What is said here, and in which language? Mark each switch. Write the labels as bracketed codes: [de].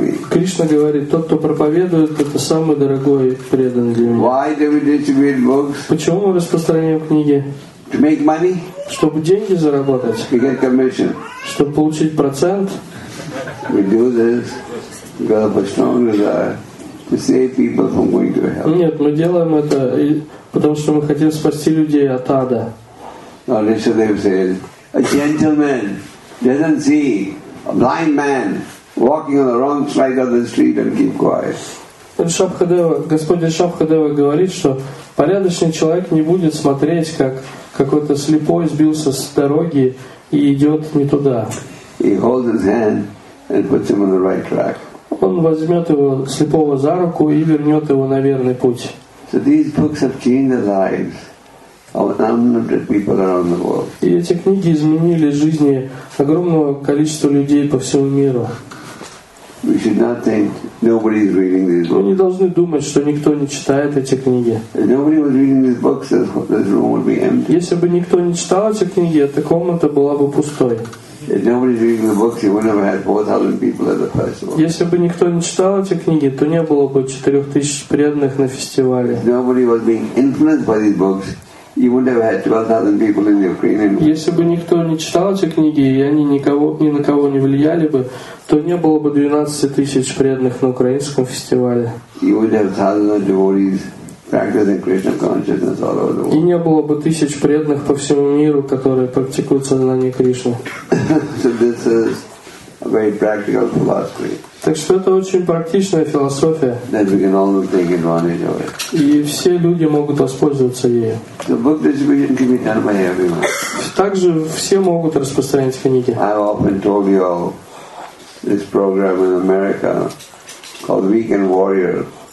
[ru] Кришна говорит, тот, кто проповедует, это самый дорогой преданный для меня. Почему мы распространяем книги? Чтобы деньги заработать. Чтобы получить процент. [en] We do this because of a strong desire to save people from going to hell. [ru] Нет, мы делаем это, потому что мы хотим спасти людей от ада. [en] No, Rishadev said, a gentleman doesn't see a blind man walking on the wrong side of the street and keep quiet. [ru] Господь Шабхадева говорит, что порядочный человек не будет смотреть, как какой-то слепой сбился с дороги и идет не туда. [en] He holds his hand and puts him on the right track. [ru] Он возьмет его слепого за руку и вернет его на верный путь. [en] So these books have changed the lives of unlimited people around the world. [ru] И эти книги изменили жизни огромного количества людей по всему миру. [en] We should not think nobody is reading these books. [ru] Мы не должны думать, что никто не читает эти книги. [en] If nobody was reading these books, this room would be empty. [ru] Если бы никто не читал эти книги, эта комната была бы пустой. [en] If nobody was reading the books, you would never have 4,000 people at the festival. [ru] Если бы никто не читал эти книги, то не было бы 4,000 преданных на фестивале. [en] If nobody was being influenced by these books, you would never have 12,000 people in the Ukraine. [ru] Если бы никто не читал эти книги и они ни на кого не влияли бы, то не было бы 12,000 преданных на украинском фестивале. [en] You would have thousands of devotees practicing Krishna consciousness all over the world. [ru] И не было бы тысяч преданных по всему миру, которые практикуют сознание Кришны. [en] So this is a very practical philosophy. [ru] Так что это очень практичная философия. [en] That we can all take advantage of it. [ru] И все люди могут воспользоваться ею. [en] The book distribution can be done by everyone. [ru] Также все могут распространять книги. [en] I often told you all this program in America called Weekend Warrior.